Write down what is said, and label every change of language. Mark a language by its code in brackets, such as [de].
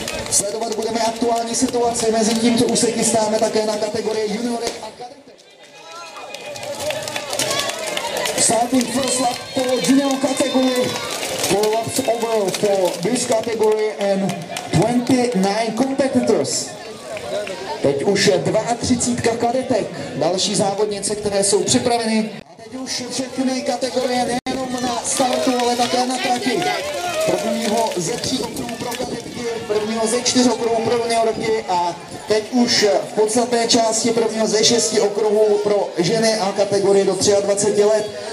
[cs] Sledovat budeme aktuální situaci, mezi tím, co už se chystáme také na kategorii juniory a kadety. [en] Starting first lap for junior category, four laps over for this category and 29 competitors. [cs] Teď už je 32 kadetek, další závodnice, které jsou připraveny. A teď už všechny kategorie nejenom na startu, ale také na trati. Prvního ze tří okruhů pro kadetky, prvního ze čtyř okruhů pro juniorky a teď už v podstatné části prvního ze šesti okruhů pro ženy a kategorie do 23 let.